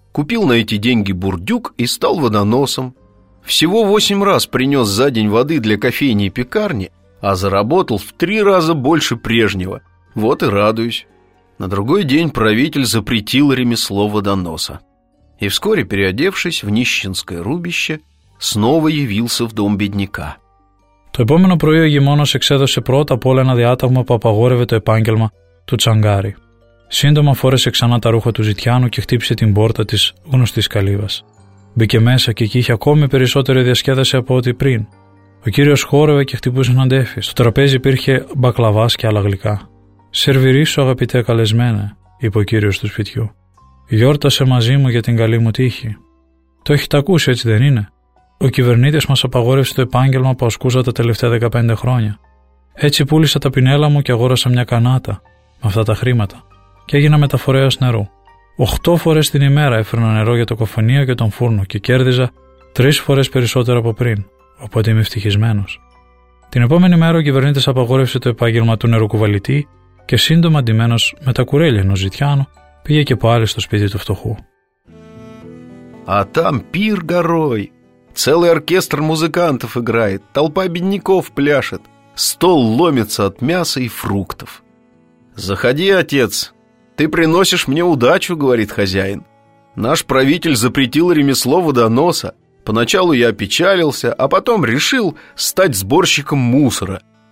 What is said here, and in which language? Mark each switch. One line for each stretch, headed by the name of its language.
Russian: купил на эти деньги бурдюк и стал водоносом. Всего 8 раз принес за день воды для кофейни и пекарни, а заработал в 3 раза больше прежнего. Вот и радуюсь. На другой день правитель запретил ремесло водоноса. И вскоре, переодевшись в нищенское рубище, снова явился в дом бедняка.
Greek: Το επόμενο πρωί ο γημόνος εξέδωσε πρώτα απ' όλα ένα διάταγμα που απαγόρευε το επάγγελμα του τσαγκάρι. Σύντομα φόρεσε ξανά τα ρούχα του ζητιάνου και χτύπησε την πόρτα της γνωστής καλύβας. Μπήκε μέσα και εκεί είχε ακόμη περισσότερη διασκέδαση από ό,τι πριν. Ο κύριος χόρευε και χτυπούσε έναν τέφι. Στο τραπέζι υπήρχε μπακλαβάς και άλλα γλυκά. «Σερβιρίσου, αγαπητέ καλεσμένε», είπε ο κύριος του σπιτιού. «Γιόρτασε μαζί μου για την καλή μου τύχη». «Το έχετε ακούσει, έτσι δεν είναι? Ο κυβερνήτης μας απαγόρευσε το επάγγελμα που ασκούσα τα τελευταία 15 χρόνια. Έτσι πούλησα τα πινέλα μου και αγόρασα μια κανάτα με αυτά τα χρήματα και έγινα μεταφορέας νερού. 8 φορές την ημέρα έφερνα νερό για το κοφωνείο και τον φούρνο και κέρδιζα 3 φορές περισσότερο από πριν, οπότε είμαι ευτυχισμένος». Την επόμενη μέρα ο κυβερνήτης απαγόρευσε το επάγγελμα του νεροκουβαλητή και σύντομα ντυμένος με τα κουρέλια ενός ζητιάνου πήγε και πάλι στο σπίτι του φτωχού.
Russian: «Α, там пир горой. Целый оркестр музыкантов играет, толпа бедняков пляшет, стол ломится от мяса и фруктов. Заходи, отец, ты приносишь мне удачу, — говорит хозяин. Наш правитель запретил ремесло водоноса. Поначалу я опечалился, а потом решил стать сборщиком мусора.